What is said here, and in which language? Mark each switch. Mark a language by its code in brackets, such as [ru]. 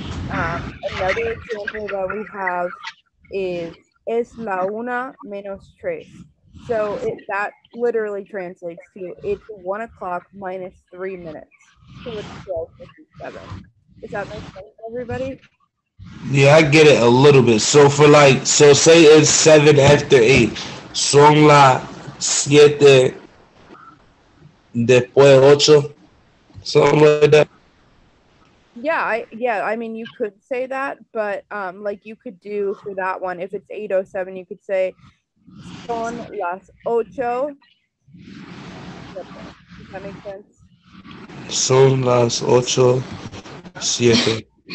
[en] Another example that we have is [es] es la una menos tres. [en] So that literally translates to it's 1 o'clock minus 3 minutes. So it's 12:57. Does that make sense, everybody? Yeah, I get it a little bit. So for like, so say it's 7 after 8. [es] Son la siete después ocho. [en] Something like that. Yeah, I mean, you could say that, but like you could do for that one, if it's 8:07, you could say [es] son las ocho. [en] Does that make sense? [es] Son las ocho siete.